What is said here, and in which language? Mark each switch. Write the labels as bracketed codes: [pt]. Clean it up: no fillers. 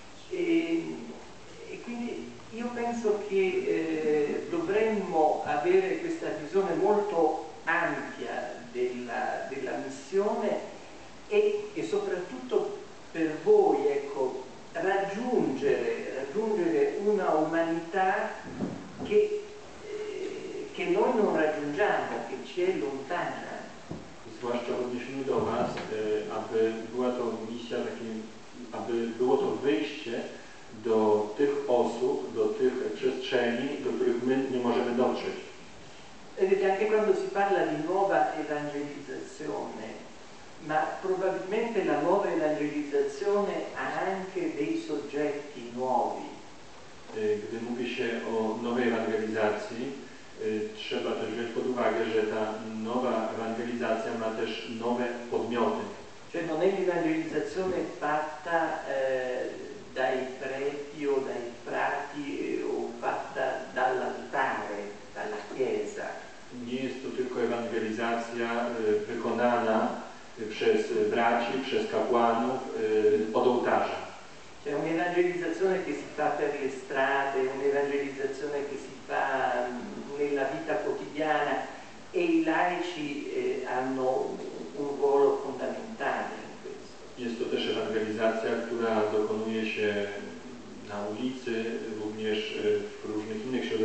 [it] E quindi io penso che dovremmo avere questa visione molto ampia della missione e soprattutto per voi ecco, raggiungere una umanità che noi non raggiungiamo, che ci è lontana. [pl] Zwłaszcza w odniesieniu do Was, aby była to misja takim. Aby było to wyjście do tych osób, do tych przestrzeni, do których my nie możemy dotrzeć. [it] Vedete, anche quando si parla di nuova evangelizzazione, ma probabilmente la nuova evangelizzazione ha anche dei soggetti nuovi. [pl] Gdy mówi się o nowej ewangelizacji, trzeba też wziąć pod uwagę, że ta nowa ewangelizacja ma też nowe podmioty. [it] Cioè non è l'evangelizzazione fatta dai preti o dai frati o fatta dall'altare, dalla chiesa. [pl] Nie jest to tylko ewangelizacja wykonana przez braci, przez kapłanów od ołtarza. [it] Cioè un'evangelizzazione che si fa per le strade, un'evangelizzazione che si fa nella vita quotidiana e i laici hanno un ruolo fondamentale in questo. [pl] Jest to też ewangelizacja, która dokonuje się na ulicy, również w różnych innych